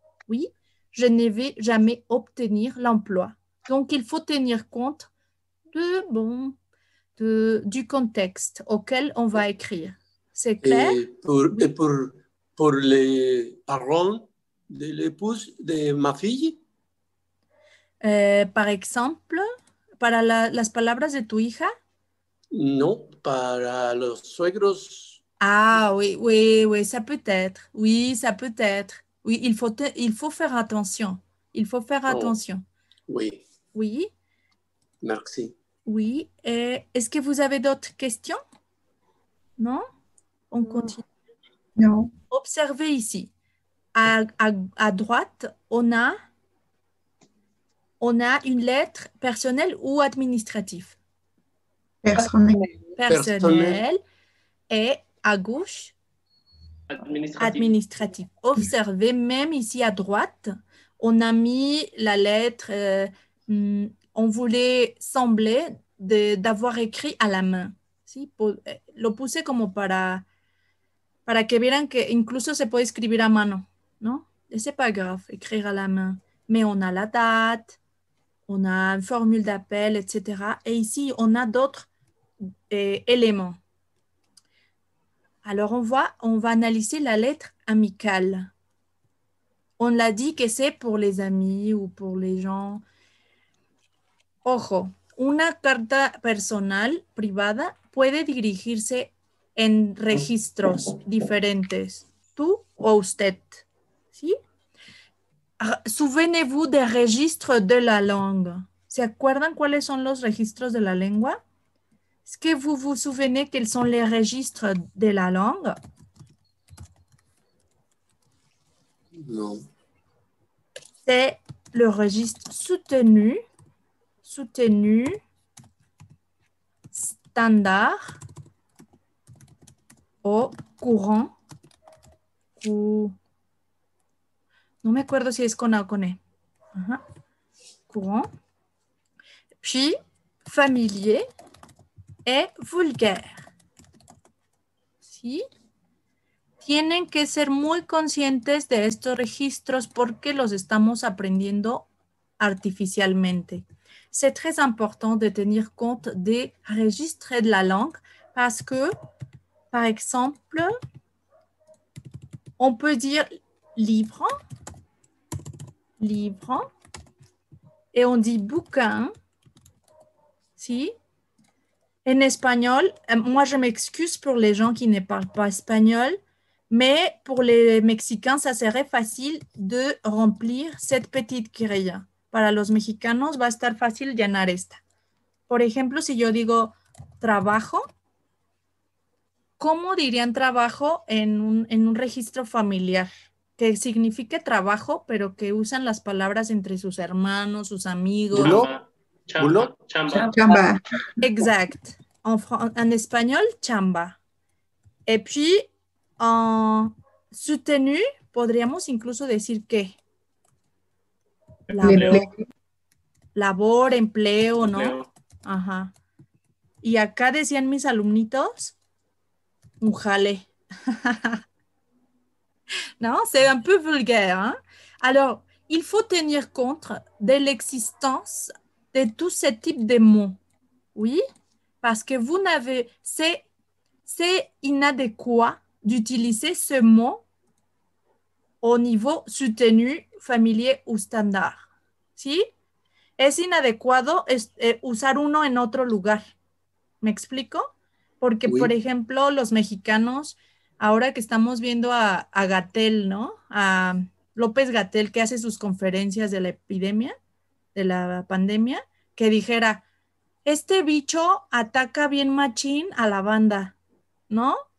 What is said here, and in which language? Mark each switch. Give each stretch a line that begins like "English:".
French: Oui, je ne vais jamais obtenir l'emploi. Donc, il faut tenir compte du contexte auquel on va écrire. C'est clair? Et pour les parents de l'épouse de ma fille? Par exemple,
Spanish: para las palabras de tu hija? Non, para los suegros.
French: Ah oui, oui, oui, ça peut être. Oui, ça peut être. Oui, il faut faire attention. Il faut faire attention. Oui. Oui. Merci. Oui. Et est-ce que vous avez d'autres questions? Non? On continue. Non. Observez ici. À droite, on a une lettre personnelle ou administrative. Personnelle. Et à gauche, administrative. Observez, même ici à droite, on a mis la lettre, on voulait sembler d'avoir écrit à la main.
Spanish: ¿Sí? Lo puse como para que vieran que incluso se puede escribir a mano, ¿no?
French: Et c'est pas grave, écrire à la main. Mais on a la date, on a une formule d'appel, etc. Et ici, on a d'autres éléments. Alors, on va analyser la lettre amicale. On l'a dit que c'est pour les amis ou pour les gens.
Spanish: Ojo, una carta personal privada puede dirigirse en registros diferentes, tú o usted, ¿sí?
French: Souvenez-vous des registres de la langue.
Spanish: ¿Se acuerdan cuáles son los registros de la lengua?
French: ¿Es que vous vous souvenez quels sont les registres de la langue? Non. C'est le registre soutenu, standard,
Spanish: o courant, no me acuerdo si es con A o con E. Uh-huh.
French: Courant, puis familier et vulgaire.
Spanish: ¿Sí? Tienen que ser muy conscientes de estos registros porque los estamos aprendiendo artificialmente.
French: C'est très important de tenir compte des registres de la langue parce que, par exemple, on peut dire libre, et on dit bouquin, si. En espagnol, moi je m'excuse pour les gens qui ne parlent pas espagnol, mais pour les Mexicains, ça serait facile de remplir cette petite grille.
Spanish: para los mexicanos va a estar fácil llenar esta. Por ejemplo, si yo digo trabajo, ¿cómo dirían trabajo en un registro familiar? Que signifique trabajo, pero que usan las palabras entre sus hermanos, sus amigos. ¿Bulo? ¿Bulo? Chamba. Chamba. Exact. En español, chamba. Y puis, soutenu, podríamos incluso decir que. Labor, empleo, ¿no? Empleo. Ajá. Y acá decían mis alumnitos, un jale.
French: Non, c'est un peu vulgaire. Hein? Alors, il faut tenir compte de l'existence de tous ces types de mots. Oui, parce que vous n'avez... C'est inadéquat d'utiliser ce mot au niveau soutenu, familier ou standard.
Spanish: ¿Sí? Es inadecuado usar uno en otro lugar. ¿Me explico? Porque, oui. Por ejemplo, los mexicanos... Ahora que estamos viendo a Gatell, ¿no? A López Gatell, que hace sus conferencias de la epidemia, de la pandemia, que dijera, este bicho ataca bien machín a la banda, ¿no?